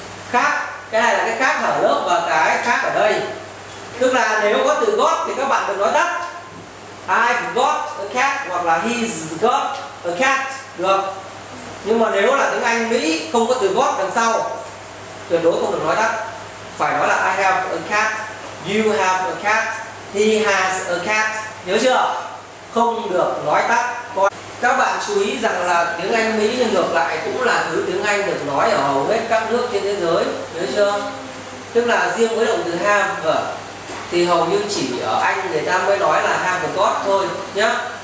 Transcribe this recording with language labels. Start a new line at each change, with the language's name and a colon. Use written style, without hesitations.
Vietnamese: Khác, cái này là cái khác ở lớp và cái khác ở đây. Tức là nếu có từ got thì các bạn được nói tắt
English: I got a cat
Vietnamese: hoặc là
English: he's got a cat
Vietnamese: được. Nhưng mà nếu là tiếng Anh Mỹ không có từ got đằng sau, tuyệt đối không được nói tắt. Phải nói là
English: I have a cat, you have a cat, he has a cat.
Vietnamese: Nhớ chưa? Không được nói tắt. Các bạn chú ý rằng là tiếng Anh Mỹ ngược lại cũng là thứ tiếng Anh được nói ở hầu hết các nước trên thế giới. Nhớ chưa? Tức là riêng với động từ have thì hầu như chỉ ở Anh người ta mới nói là
English: have a got
Vietnamese: thôi nhá.